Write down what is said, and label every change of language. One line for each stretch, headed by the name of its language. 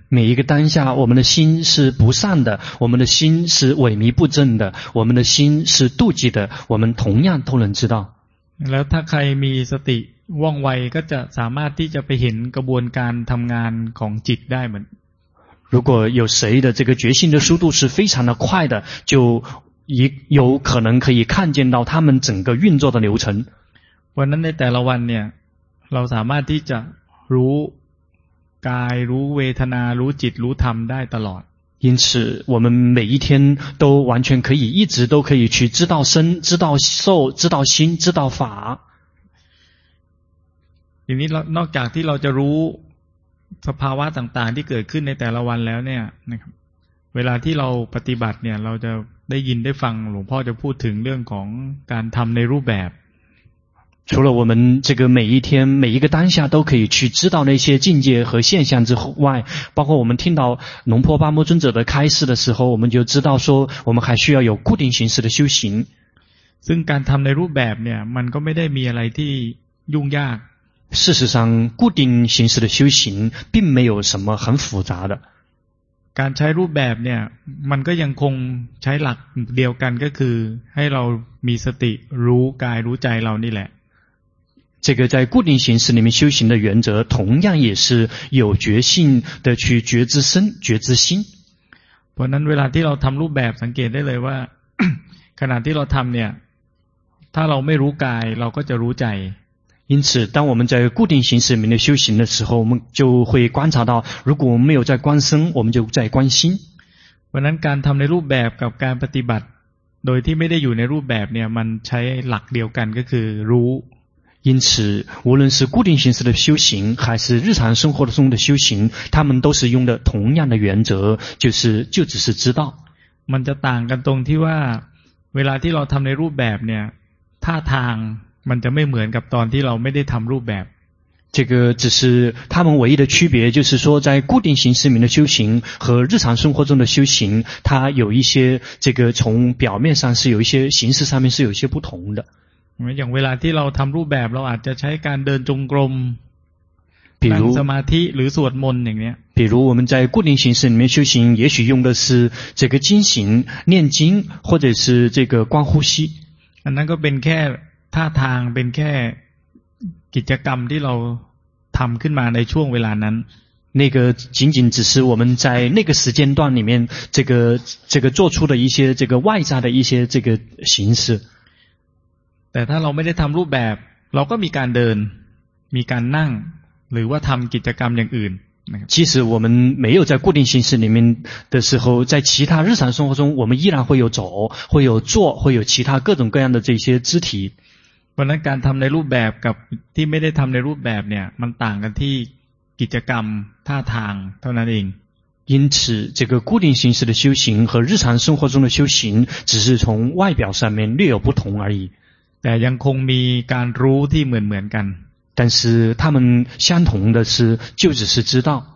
Chinese: 每一个当下我们的心是不善的我们的心是萎靡不振的我们的心是妒忌的我们同样都能知道
Thai: แล้วถ้าใครมีสติว่องไวก็จะสามารถที่จะไปเห็นกระบวนการทำงานของจิตได้เหมือน
Chinese: 如果有谁的这个觉性的速度是非常的快的，就有可能可以看见到他们整个运作的流程。
Thai: วันนั้นในแต่ละวันเนี่ยเราสามารถที่จะรู้กายรู้เวทนารู้จิตรู้ธรรมได้ตลอด。
Chinese: 因此，我们每一天都完全可以一直都可以去知道身、知道受、知道心、知道法。
Thai: ทีนี้นอกจากที่เราจะรู้สภาวะต่างๆที่เกิดขึ้นในแต่ละวันแล้วเนี่ยนะครับเวลาที่เราปฏิบัติเนี่ยเราจะได้ยินได้ฟังหลวงพ่อจะพูดถึงเรื่องของการทำในรูปแบบ
Chinese: 除了我们这个每一天每一个当下都可以去知道那些境界和现象之外包括我们听到龙婆巴摩尊者的开示的时候我们就知道说我们还需要有固定形式的修行
Thai: ซึ่งการทำในรูปแบบเนี่ยมันก็ไม่ได้มีอะไรที่ยุ่งยาก
Chinese: 事实上固定形式的修行并没有什么很复杂的
Thai: การใช้รูปแบบเนี่ยมันก็ยังคงใช้หลักเดียวกันก็คือให้เรามีสติรู้กายรู้ใจเรานี่แหละ
Chinese: 这个在固定形式里面修行的原则同样也是有觉性的去觉知身觉知心
Thai: เพราะนั้นเวลาที่เราทำรูปแบบสังเกตได้เลยว่า ขณะที่เราทำเนี่ยถ้าเราไม่รู้กายเราก็จะรู้ใจ
Chinese: 因此当我们在固定形式里面的修行的时候我们就会观察到如果我们没有在观身我们就在观心。
Thai: วันนั้นการทำในรูปแบบกับการปฏิบัติโดยที่ไม่ได้อยู่ในรูปแบบเนี่ยมันใช้หลักเดียวกันก็คือรู้
Chinese: 因此无论是固定形式的修行还是日常生活中的修行他们都是用的同样的原则就只是知道。
Thai: มันจะต่างกันตรงที่ว่าเวลาที่เราทำในรูปแบบเนี่ยท่าทางมันจะไม่เหมือนกับตอนที่เราไม่ได้ทำรูปแบบ
Chinese: 这个只是他们唯一的区别就是说在固定形式里面的修行和日常生活中的修行它有一些这个从表面上是有一些形式上面是有一些不同的
Thai: อย่างเวลาที่เราทำรูปแบบเราอาจจะใช้การเดินจงกรม
Chinese: 比如
Thai: สมาธิหรือสวดมนต์อย่างเนี้ย
Chinese: 比如我们在固定形式里面修行也许用的是这个经行念经或者是这个观呼吸
Thai: อันนั้นก็เป็นแค่ท่าทางเป็นแค่กิจกรรมที่เราทำขึ้นมาในช่วงเวลานั้น
Chinese: 那个仅仅只是我们在那个时间段里面这个做出的一些这个外在的一些这个形式
Thai: แต่ถ้าเราไม่ได้ทำรูปแบบเราก็มีการเดินมีการนั่งหรือว่าทำกิจกรรมอย่างอื่น
Chinese: 其实我们没有在固定形式里面的时候在其他日常生活中我们依然会有走会有坐会有其他各种各样的这些肢体
Thai: เพราะนั้นการทำในรูปแบบกับที่ไม่ได้ทำในรูปแบบเนี่ยมันต่างกันที่กิจกรรมท่าทางเท่านั้นเอง
Chinese: 因此这个固定形式的修行和日常生活中的修行只是从外表上面略有不同而已
Thai: แต่ยังคงมีการรู้ที่เหมือนกัน
Chinese: 但是他们相同的是就只是知道